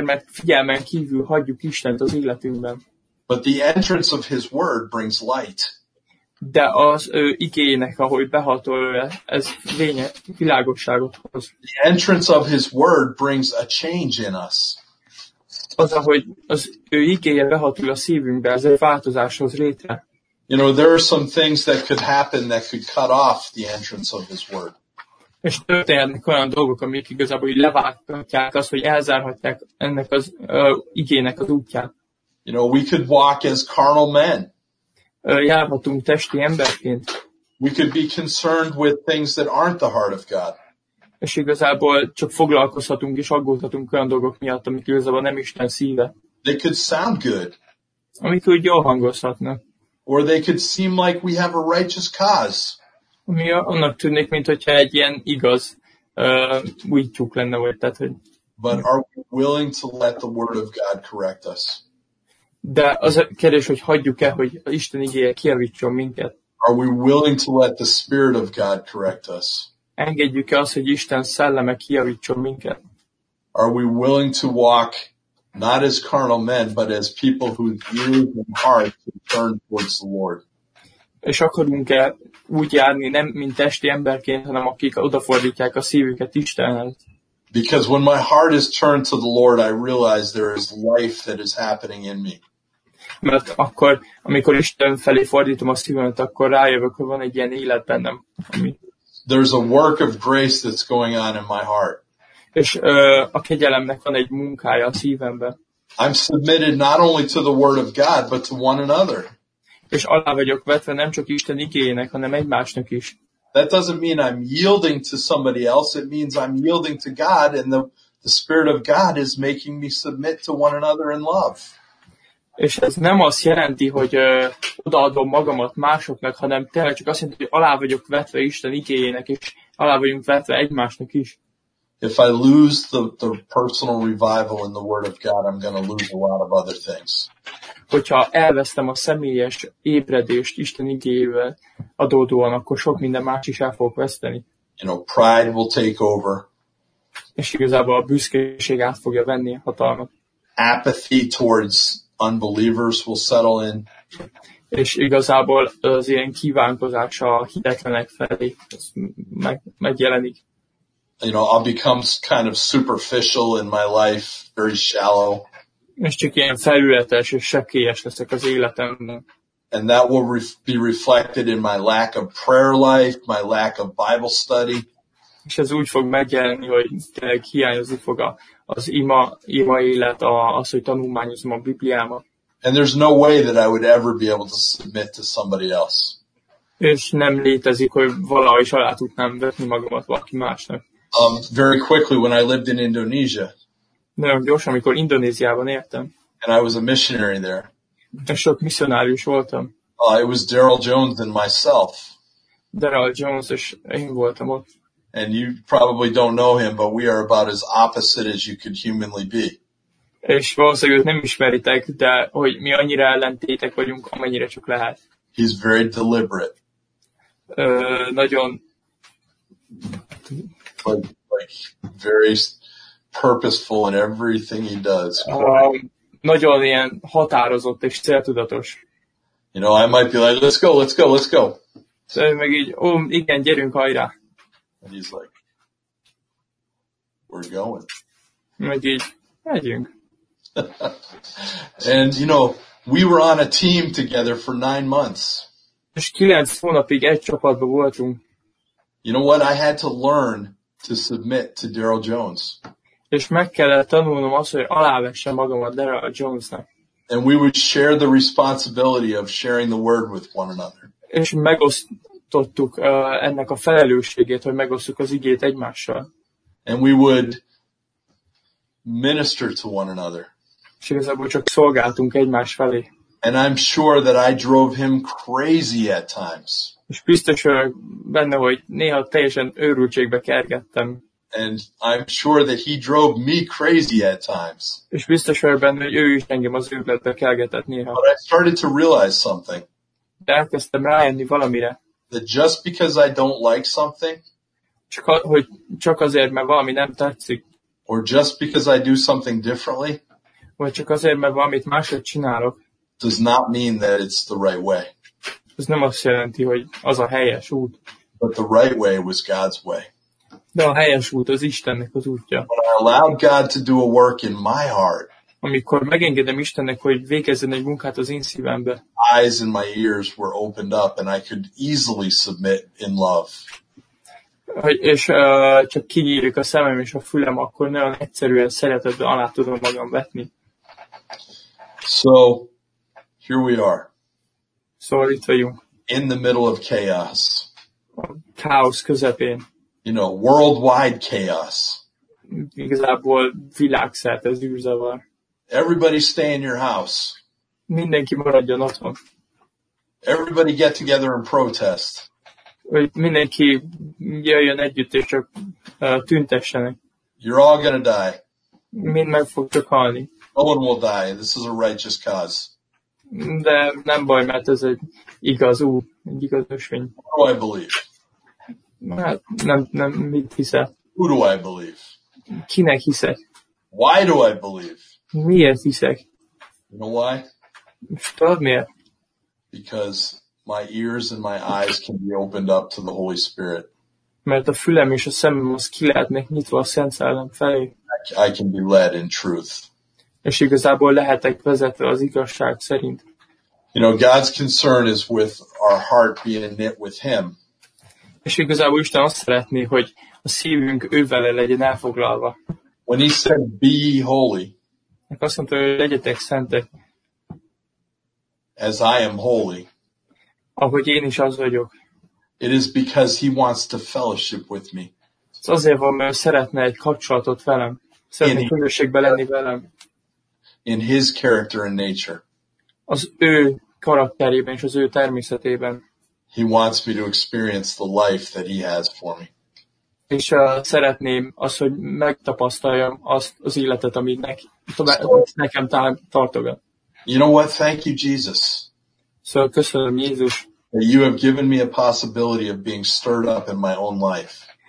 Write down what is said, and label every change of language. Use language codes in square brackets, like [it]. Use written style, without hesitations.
[hu] figyelmen kívül hagyjuk Istent az életünkben. [en] But the entrance of his word brings light. [hu] De az ő igényének, ahogy behatol, ez fénye, világosságot hoz. [en] The entrance of his word brings a change in us. [hu] Az, ahogy az ő igéje behatul a szívünkbe, ez egy változáshoz létre. [en] You know, there are some things that could happen that could cut off the entrance of his word. [hu] És történhetnek olyan dolgok, amik igazából leválthatják azt, hogy elzárhatják ennek az igének az útját. [en] You know, we could walk as carnal men. [hu] Járhatunk testi emberként. [en] We could be concerned with things that aren't the heart of God. [hu] És igazából csak foglalkozhatunk és aggódhatunk olyan dolgok miatt, amik igazából nem Isten szíve. [en] They could sound good. [hu] Amik úgy jól hangozhatnak. [en] Or they could seem like we have a righteous cause. [hu] Mi annak tűnik, mint hogyha egy ilyen igaz útjuk lenne, vagy tehát, hogy... [en] But are we willing to let the word of God correct us? [hu] De az a kérdés, hogy hagyjuk-e, hogy Isten igéje kijavítson minket. [en] Are we willing to let the Spirit of God correct us? [hu] Engedjük-e azt, hogy Isten szelleme kijavítson minket? [en] Are we willing to walk not as carnal men, but as people whose ears and hearts are turned towards the Lord? [hu] És akarunk-e úgy járni, nem mint testi emberként, hanem akik odafordítják a szívüket Istenhez? [en] Because when my heart is turned to the Lord, I realize there is life that is happening in me. [hu] Mert akkor, amikor Isten felé fordítom a szívemet, akkor rájövök, hogy van egy ilyen élet bennem. [en] There's a work of grace that's going on in my heart. [hu] És a kegyelemnek van egy munkája a szívemben. [en] I'm submitted not only to the word of God, but to one another. [hu] És alá vagyok vetve nem csak Isten igéjének, hanem egymásnak is. [en] That doesn't mean I'm yielding to somebody else. It means I'm yielding to God, and the Spirit of God is making me submit to one another in love. [hu] És ez nem azt jelenti, hogy odaadom magamat másoknak, hanem tényleg csak azt jelenti, hogy alá vagyok vetve Isten igényének, és alá vagyunk vetve egymásnak is. [en] If I lose the personal revival in the Word of God, I'm going to lose a lot of other things. [hu] Hogyha elvesztem a személyes ébredést Isten igéjével adódóan, akkor sok minden más is el fogok veszteni. [en] You know, pride will take over. [hu] És igazából a büszkeség át fogja venni hatalmat. [en] Apathy towards unbelievers will settle in. [hu] És igazából az ilyen kívánkozás a hitetlenek felé megjelenik. [en] You know, I'll become kind of superficial in my life, very shallow. [hu] És csak ilyen felületes és sekélyes leszek az életemben. [en] And that will be reflected in my lack of prayer life, my lack of Bible study. [hu] És ez úgy fog megjelenni, hogy tényleg hiányozni fog az ima élet, az, hogy tanulmányozom a Bibliámat. [en] And there's no way that I would ever be able to submit to somebody else. [hu] És nem létezik, hogy valahogy is alá tudnám vetni magamat valaki másnak. [en] Very quickly, when I lived in Indonesia. [hu] Nagyon gyorsan, amikor Indonéziában éltem. [en] And I was a missionary there. [hu] És sok misszionárius voltam. [en] It was Daryl Jones and myself. [hu] Daryl Jones és én voltam ott. [en] And you probably don't know him, but we are about as opposite as you could humanly be. [hu] És valószínűleg őt nem ismeritek, de hogy mi annyira ellentétek vagyunk, amennyire csak lehet. [en] He's very deliberate. [hu] Nagyon... [en] Like very purposeful in everything he does. [hu] Nagyon ilyen határozott és céltudatos. [en] You know, I might be like, let's go, let's go, let's go. [hu] So meg így, igen, gyerünk, hajrá. [en] And he's like, we're going. [hu] Meg így, megyünk. [en] And you know, we were on a team together for 9 months. [hu] És 9 hónapig egy csapatban voltunk. [en] You know what? I had to learn to submit to Daryl Jones. [hu] És meg kellett tanulnom azt, hogy alávessem magamat Daryl Jonesnak. [en] And we would share the responsibility of sharing the word with one another. [hu] És megosztottuk ennek a felelősségét, hogy megosztjuk az igét egymással. [en] And we would minister to one another. [hu] És igazából csak szolgáltunk egymás felé. [en] And I'm sure that I drove him crazy at times. [hu] És biztos vagyok benne, hogy néha teljesen őrültségbe kergettem. [en] And I'm sure that he drove me crazy at times. [hu] És biztos vagyok benne, hogy ő is engem az őrületbe kergetett néha. [en] But I started to realize something. [hu] De elkezdtem rájönni valamire. [en] That just because I don't like something, [hu] csak azért, mert valami nem tetszik, [en] Or just because I do something differently. [hu] Vagy csak azért, mert valamit másra csinálok. [en] Does not mean that it's the right way. [hu] Ez nem azt jelenti, hogy az a helyes út. [en] But the right way was God's way. [hu] De a helyes út az Istennek az útja. [en] When I allowed God to do a work in my heart. [hu] Amikor megengedem Istennek, hogy végezzen egy munkát az én szívembe. [en] Eyes and my ears were opened up and I could easily submit in love. [hu] És csak kinyílik a szemem és a fülem, akkor nagyon egyszerűen szeretetben alá tudom magam vetni. [en] So, here we are. [hu] Szóval itt vagyunk. [en] In the middle of chaos. [hu] A káosz közepén. [en] You know, worldwide chaos. [hu] Igazából világszerte zűrzavar. [en] Everybody stay in your house. [hu] Mindenki maradjon otthon. [en] Everybody get together and protest. [hu] Mindenki jöjjön együtt, és csak tüntessenek. [en] You're all gonna die. [hu] Mind meg fogtok halni. [en] No one will die. This is a righteous cause. [hu] De nem baj, mert ez egy igaz út, egy igaz ösvény. [en] Who do I believe? [hu] Hát, nem mit hiszel? [en] Who do I believe? [hu] Kinek hiszek? [en] Why do I believe? [hu] Miért hiszek? [en] You know why? [hu] Tudod miért? [en] Because my ears and my eyes can be opened up to the Holy Spirit. [hu] Mert a fülem és a szemem az ki lehetnek nyitva a Szent Szellem felé. [en] I can be led in truth. [hu] És igazából lehetek vezetve az igazság szerint. [en] You know, God's concern is with our heart being knit with Him. [hu] És igazából Isten azt szeretné, hogy a szívünk ővele legyen elfoglalva. [en] When He said, "Be holy." [hu] Azt mondta, hogy legyetek szentek. [en] As I am holy. [hu] Ahogy én is az vagyok. [en] It is because he wants to fellowship with me. [hu] Ez azért van, mert szeretne egy kapcsolatot velem. Szeretne közösségben lenni velem. [en] In his character and nature. [hu] Az ő karakterében és az ő természetében. [en] He wants me to experience the life that he has for me. [hu] És szeretném azt, hogy megtapasztaljam azt az életet, amit nekem tartogat. [en] You know what? Thank you, Jesus. [hu] Szóval köszönöm, Jézus. [en] You have given me a possibility of being stirred up in my own life.